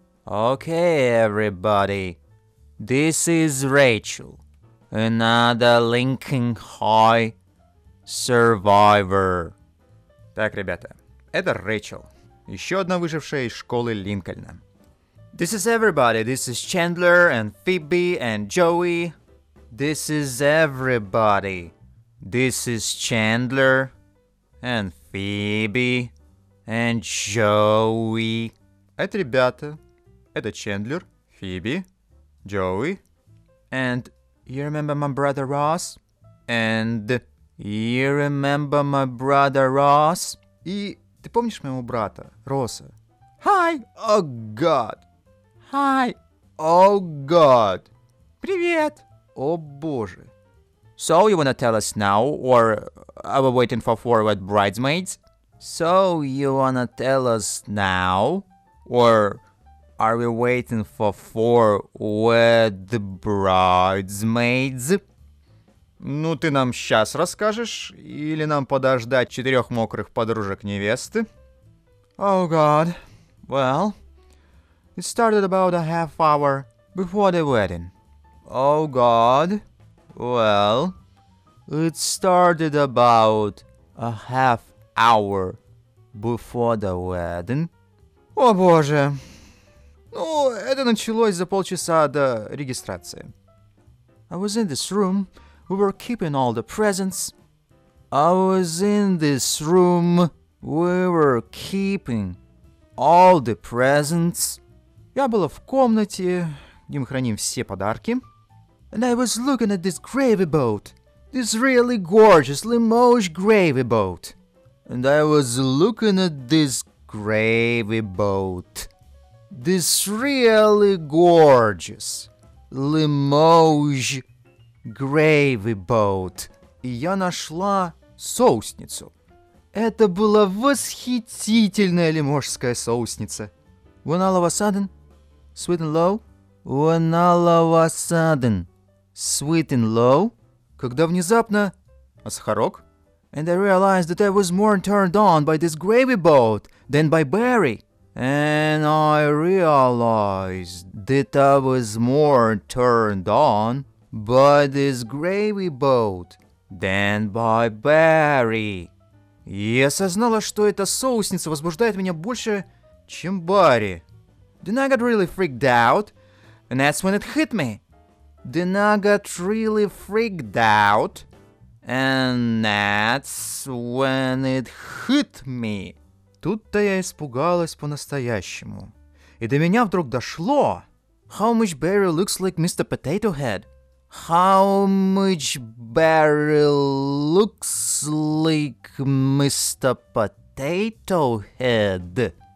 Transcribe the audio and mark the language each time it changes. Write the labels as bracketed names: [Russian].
[English] Okay, everybody, this is Rachel, another Lincoln High survivor. [Russian] Так, ребята, это Рэйчел, еще одна выжившая из школы Линкольна. [English] This is everybody, this is Chandler and Phoebe and Joey. This is everybody, this is Chandler and Phoebe and Joey. [Russian] Это ребята. Это Чендлер, Фиби, Джоуи. [English] And you remember my brother Ross? And you remember my brother Ross? [Russian] И ты помнишь моего брата, Росса? [English] Hi! Oh God! Hi! Oh God! [Russian] Привет! О боже! [English] So you wanna tell us now, or are we waiting for forward bridesmaids? So you wanna tell us now, or... Are we waiting for four wed bridesmaids? [Russian] Ну, ты нам сейчас расскажешь, или нам подождать четырех мокрых подружек невесты? [English] Oh God. Well, it started about a half hour before the wedding. Oh God. Well, it started about a half hour before the wedding. [Russian] О боже. Ну, это началось за полчаса до регистрации. [English] I was in this room. We were keeping all the presents. I was in this room. We were keeping all the presents. [Russian] Я была в комнате, где мы храним все подарки. [English] And I was looking at this gravy boat. This really gorgeous Limoges gravy boat. And I was looking at this gravy boat. This really gorgeous Limoges gravy boat. [Russian] И я нашла соусницу. Это была восхитительная лиможская соусница. [English] When all of a sudden, sweet and low. When all of a sudden, sweet and low. [Russian] Когда внезапно... А сахарок? [English] And I realized that I was more turned on by this gravy boat than by Barry. And I realized that I was more turned on by this gravy boat than by Barry. [Russian] Я осознала, что эта соусница возбуждает меня больше, чем Барри. [English] Then I got really freaked out, and that's when it hit me. Then I got really freaked out, and that's when it hit me. [Russian] Тут-то я испугалась по-настоящему. И до меня вдруг дошло. [English] How much Barry looks like Mr. Potato Head? How much Barry looks like Mr. Potato Head?